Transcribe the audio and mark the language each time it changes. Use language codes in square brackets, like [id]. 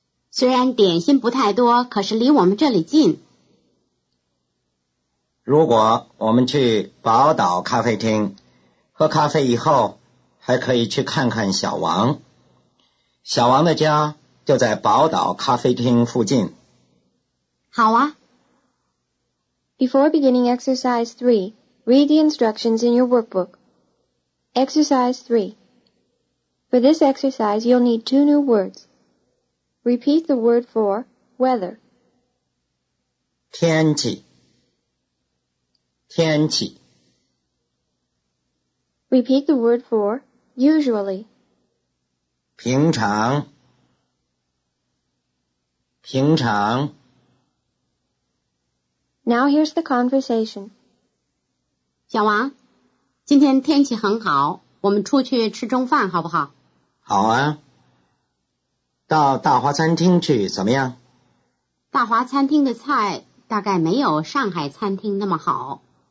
[zh] 虽然点心不太多，可是离我们这里近。如果我们去宝岛咖啡厅喝咖啡以后，还可以去看看小王。小王的家就在宝岛咖啡厅附近。好啊。 [en] Before beginning exercise 3, read the instructions in your workbook. Exercise 3. For this exercise, you'll need 2 new words. Repeat the word for weather. [zh] 天气，天气。 [en] Repeat the word for usually. [zh] 平常，平常。 [en] Now here's the conversation. [zh] 小王，今天天气很好，我们出去吃中饭好不好？好啊。到大华餐厅去怎么样？大华餐厅的菜大概没有上海餐厅那么好。